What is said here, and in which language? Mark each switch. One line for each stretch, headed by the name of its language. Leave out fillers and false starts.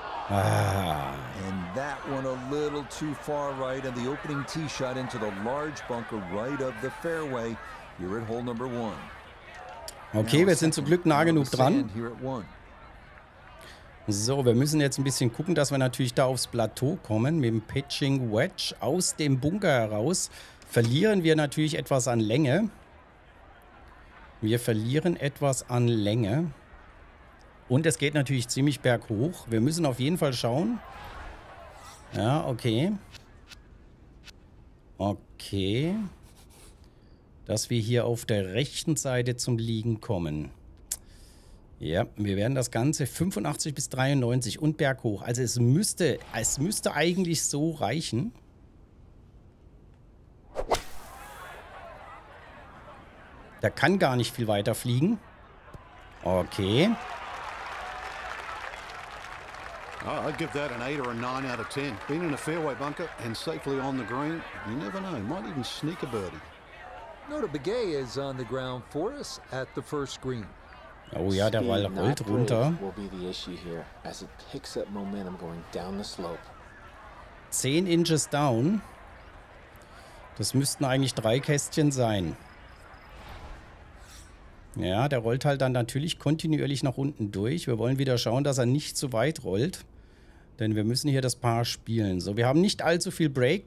English: And that one a little too far right and the opening tee shot into the large bunker right of the fairway. You're at hole number one.
German: Okay, wir sind zum Glück nah genug dran. So, wir müssen jetzt ein bisschen gucken, dass wir natürlich da aufs Plateau kommen mit dem Pitching Wedge aus dem Bunker heraus. Verlieren wir natürlich etwas an Länge. Wir verlieren etwas an Länge. Und es geht natürlich ziemlich berghoch. Wir müssen auf jeden Fall schauen. Ja, okay. Okay. Dass wir hier auf der rechten Seite zum Liegen kommen. Ja, wir werden das Ganze 85 bis 93 und berghoch. Also es müsste eigentlich so reichen. Der kann gar nicht viel weiter fliegen. Okay.
English: Oh, I'd give that an 8 or a 9 out of 10. Being in a fairway bunker and safely on the green, you never know, might even sneak a birdie. Nota Begay is on the ground for us at the first green.
German: Oh ja, der Ball rollt runter.
English: Will be the issue here as it picks up momentum going down the slope. 10 inches down.
German: Das müssten eigentlich 3 Kästchen sein. Ja, der rollt halt dann natürlich kontinuierlich nach unten durch. Wir wollen wieder schauen, dass er nicht zu weit rollt. Denn wir müssen hier das Paar spielen. So, wir haben nicht allzu viel Break.